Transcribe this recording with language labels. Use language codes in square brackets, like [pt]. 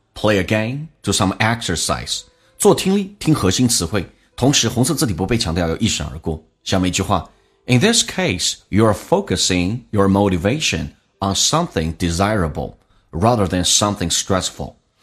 [en] Play a game, do some exercise. [zh] 做听力，听核心词汇，同时红色字体不被强调，要一闪而过。下面一句话 [en] ,In this case, you're focusing your motivation on something desirable rather than something stressful.